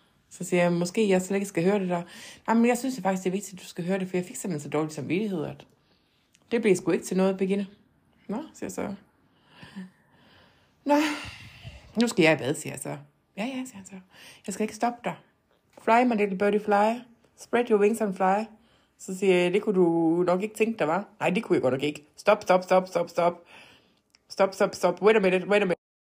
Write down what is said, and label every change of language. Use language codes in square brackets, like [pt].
[da] Så siger jeg, måske jeg slet ikke skal høre det der. Nej, men jeg synes det faktisk, det er vigtigt, at du skal høre det, for jeg fik simpelthen så dårlig samvittighed, at det bliver sgu ikke til noget at begynde. Nå, siger jeg så. Nå, nu skal jeg i bad, siger jeg så. Ja, ja, siger han så. Jeg skal ikke stoppe dig. [en] Fly, my little birdie, fly. Spread your wings and fly. [da] Så siger jeg, det kunne du nok ikke tænke dig, hva'? Nej, det kunne jeg godt nok ikke. Stop, stop, stop, stop, stop. Stop, stop, stop. [en] Wait a minute, wait a minute.